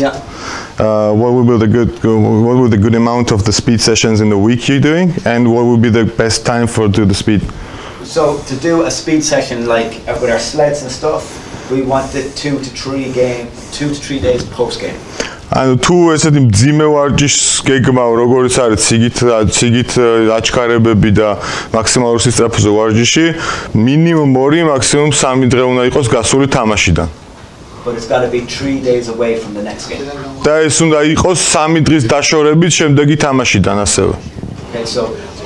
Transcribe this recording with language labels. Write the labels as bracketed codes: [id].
[en] Yeah. What would be the good amount of the speed sessions in the week you doing and what would be the best time for do the speed? So to do a speed session like with our sleds and stuff. We want it 2 to 3 days post game. [ka] ანუ თუ ესეთი მძიმე ვარჯიშს გეგმავ, როგორც არის ციგით აჩქარებები და მაქსიმალური სისწრაფე ვარჯიში, მინიმუმ 2, მაქსიმუმ 3 დღე უნდა იყოს გასული თამაშიდან. [en] But it's got to be 3 days away from the next game. [ka] და ეს უნდა იყოს 3 დღის დაშორებით შემდეგი თამაშიდან ასევე.